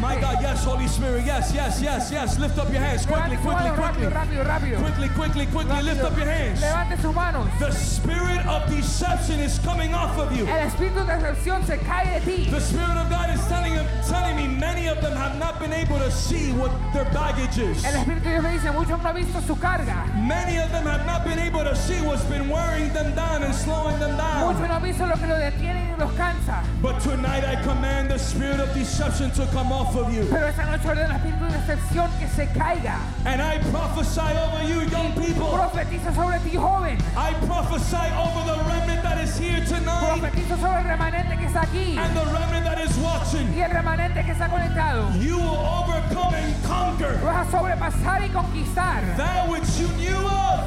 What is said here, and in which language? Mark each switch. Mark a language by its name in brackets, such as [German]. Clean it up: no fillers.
[English] My God, yes, Holy Spirit, yes, yes, yes, yes. Lift up your hands quickly, quickly, quickly. Quickly, quickly, quickly. Lift up your hands. [Spanish] Levante sus manos. [English] The spirit of deception is coming off of you. [Spanish] El espíritu de decepción se cae de ti. [English] The Spirit of God is telling me many of them have not been able to see what their baggage is. [Spanish] El espíritu de Dios me dice, muchos no han visto su carga. [English] Many of them have not been able to see what's been wearing them down and slowing them down. [Spanish] Muchos no han visto lo que lo detiene y los cansa. [English] But tonight I command the spirit of deception to come off of you. [Spanish] Pero esta noche ordeno el espíritu de decepción que se caiga. [English] And I prophesy over you, young people. [Spanish] Profetizo sobre ti, joven. [English] I prophesy over the remnant that is here tonight. [Spanish] Profetizo sobre el remanente que está aquí. [English] And the remnant that is watching. [Spanish] Y el remanente que está conectado. [English] You will overcome and conquer. [Spanish] Vas a sobrepasar y conquistar. [English] That which you knew of.